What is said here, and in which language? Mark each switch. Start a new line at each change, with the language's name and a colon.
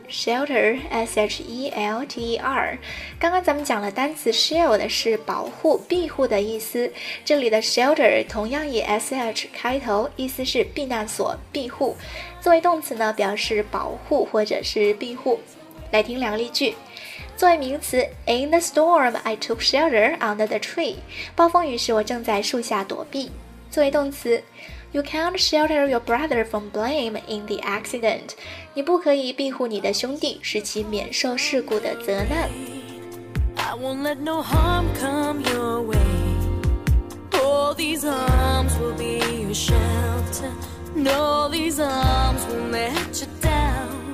Chinese: Shelter, S-H-E-L-T-E-R. 刚刚咱们讲了单词 shield 是保护、庇护的意思。这里的 shelter 同样以 S-H 开头，意思是避难所、庇护。作为动词呢，表示保护或者是庇护。来听两个例句。作为名词
English: ，In the storm, I took shelter under the tree.
Chinese: 暴风雨时，我正在树下躲避。作为动词。
English: You can't shelter your brother from blame in the accident.
Chinese: 你不可以庇护你的兄弟，使其免受事故的责难。
English: I won't let no harm come your way. All these arms will be your shelter. And all these arms will let you down.